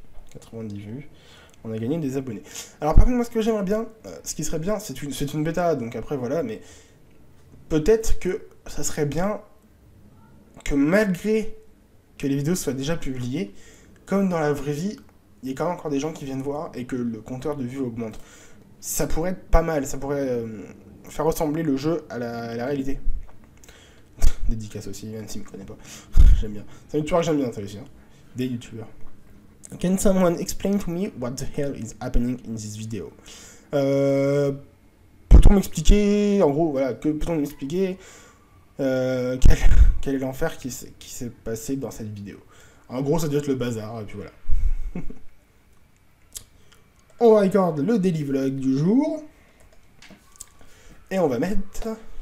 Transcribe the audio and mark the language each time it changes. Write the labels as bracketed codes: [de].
[fr] 90 vues. On a gagné des abonnés. Alors, par contre, moi, ce que j'aimerais bien, ce qui serait bien, c'est une bêta, donc après, voilà, mais peut-être que ça serait bien que malgré que les vidéos soient déjà publiées, comme dans la vraie vie, il y ait quand même encore des gens qui viennent voir et que le compteur de vues augmente. Ça pourrait être pas mal, ça pourrait faire ressembler le jeu à la réalité. Dédicace aussi, même s'il me connaît pas. J'aime bien. C'est un youtubeur que j'aime bien, ça aussi. Hein. Des youtubeurs. [en] Can someone explain to me what the hell is happening in this video? [fr] Peut-on m'expliquer, en gros, voilà, que peut-on m'expliquer quel est l'enfer qui s'est passé dans cette vidéo? En gros, ça doit être le bazar, et puis voilà. On record le daily vlog du jour. Et on va mettre...